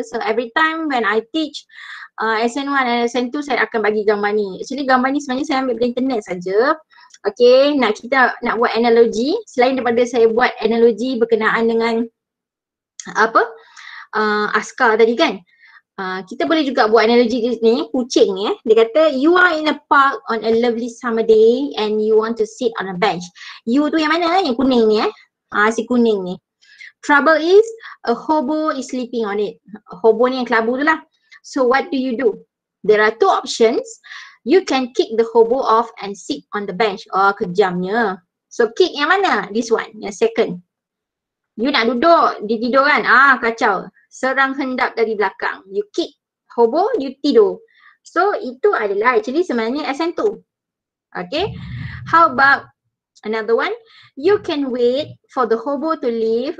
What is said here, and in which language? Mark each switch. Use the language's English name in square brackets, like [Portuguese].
[English] So every time when I teach SN1 and SN2 [Malay] saya akan bagi gambar ni. Actually gambar ni sebenarnya saya ambil dari internet saja. Okay, kita nak buat analogi. Selain daripada saya buat analogi berkenaan dengan apa? Askar tadi kan. Kita boleh juga buat analogi ni, kucing ya. Dia kata [English] you are in a park on a lovely summer day and you want to sit on a bench. [Malay] You tu yang mana? Yang kuning ni si kuning ni. [English] Trouble is a hobo is sleeping on it. [Malay] Hobo ni yang kelabu tu lah. [English] So what do you do? There are two options. You can kick the hobo off and sit on the bench. [Malay] Oh, kejamnya. So kick yang mana? [English] This one, [Malay] yang second. You nak duduk, dia tidur kan? Kacau. Serang hendap dari belakang. You kick hobo, you tidur. So itu adalah actually sebenarnya SN2. Okay. [English] How about Another one, you can wait for the hobo to leave.